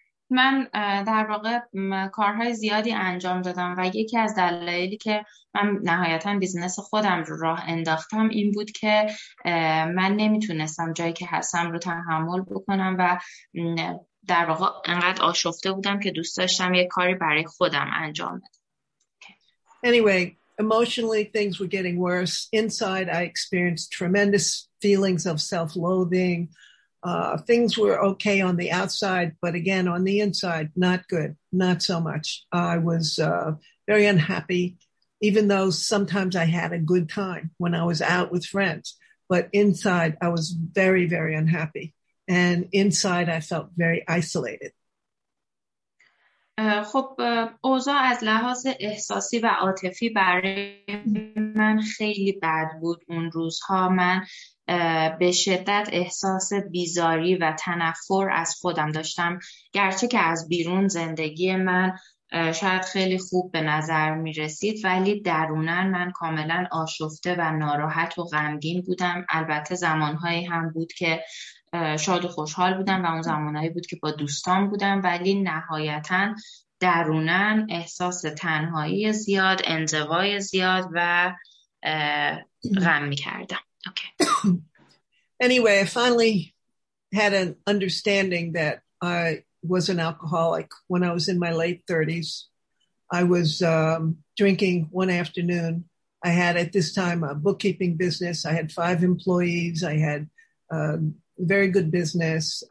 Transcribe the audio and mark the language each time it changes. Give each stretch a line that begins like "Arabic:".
Persian: من در واقع کارهای زیادی انجام دادم و یکی از دلایلی که من نهایتاً بیزنس خودم رو راه انداختم این بود که من نمیتونستم جایی که هستم رو تحمل بکنم و در واقع انقدر آشفته بودم که دوست داشتم یک کاری برای خودم انجام بدم.
English: Anyway, emotionally things were getting worse. Inside I experienced tremendous feelings of self-loathing. Things were okay on the outside, but again, on the inside, not good, not so much. I was very unhappy, even though sometimes I had a good time when I was out with friends. But inside, I was very, very unhappy. And inside, I felt very isolated.
Persian: خب اوضاع از لحاظ احساسی و عاطفی برای من خیلی بد بود. اون روزها من به شدت احساس بیزاری و تنفر از خودم داشتم، گرچه که از بیرون زندگی من شاید خیلی خوب به نظر می رسید، ولی درونن من کاملا آشفته و ناراحت و غمگین بودم. البته زمانهایی هم بود که شاد و خوشحال بودم و اون زمانهایی بود که با دوستان بودم، ولی نهایتاً درونن احساس تنهایی زیاد، انزوای زیاد و غم می‌کردم. اوکی.
English: Anyway, I finally had an understanding that I was an alcoholic when I was in my late 30s. I was drinking one afternoon. I had at this time a bookkeeping business. I had 5 employees. I had very good business.